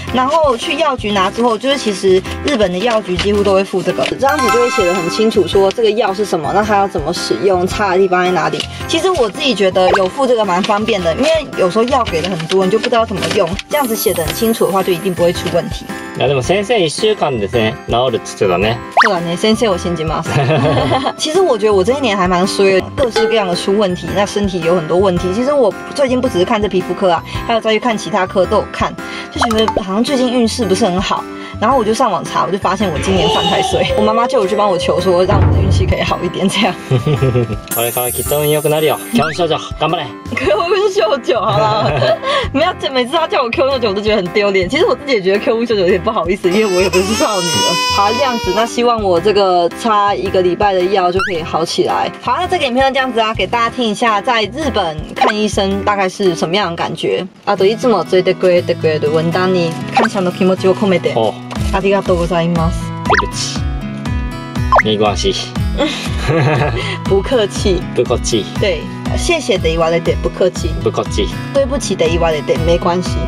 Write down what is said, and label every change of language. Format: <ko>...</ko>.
<zh>然后去药局拿之后，就是其实日本的药局几乎都会附这个，这张纸就会写得很清楚，说这个药是什么，那它要怎么使用，擦的地方在哪里。其实我自己觉得有附这个蛮方便的，因为有时候药给的很多，你就不知道怎么用，这样子写得很清楚的话，就一定不会出问题。</zh> <ja>いやでも先生1週間ですね、治るって言ってたね。そうだね、先生を信じます。</ja> <zh>其实我觉得我这一年还蛮衰的，各式各样的出问题，那身体有很多问题。其实我最近不只是看这皮肤科啊，还有再去看其他科都有看，就觉得好像最近运势不是很好。然后我就上网查，我就发现我今年犯太岁，我妈妈就有去帮我求说，让我的运气可以好一点这样。可以可以，</zh> <ja>きっと運良くなるよ。 Q秀秀，頑張れ。</ja> <zh>Q秀秀，好了，没有，每次他叫我 Q 秀秀，我都觉得很丢脸。其实我自己也觉得 Q 秀秀有点不好意思，因为我也不是少女了。好，这样子，那希望我这个擦一个礼拜的药就可以好起来。好，那这个影片就这样子啊，给大家听一下，在日本看医生大概是什么样的感觉。</zh> <ja>あといつもついてくれてくれる文丹に感謝の気持ちを込めて。ありがとうございます。</ja> <zh>对不起，没关系。不客气，不客气。对，谢谢的言われて不客气，不客气。对不起的言われて没关系，</zh>